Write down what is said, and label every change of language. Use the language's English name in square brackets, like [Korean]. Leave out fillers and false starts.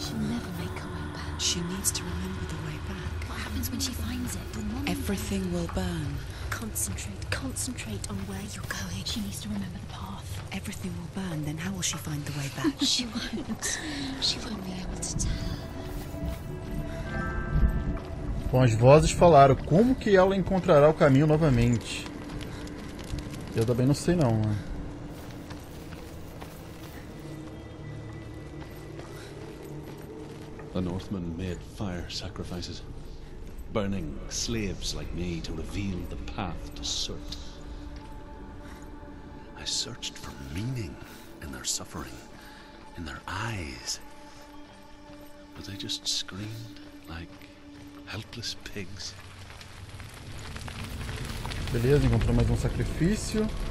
[English] She'll never make her way back. She needs to remember the way back. What happens when she finds it? Everything will burn. Concentrate on where you're going. She needs to remember the path. Everything will burn, then how will she find the way back? She won't. She won't be able to tell. [Portuguese] Bom, as vozes falaram. Como que ela encontrará o caminho novamente? Eu também não sei não, mano. [English] The Northmen made fire sacrifices, burning slaves like me to reveal the path to Surt. I searched for meaning in their suffering, in their eyes. But they just screamed like helpless pigs. [Portuguese] Beleza, encontrou mais um sacrifício.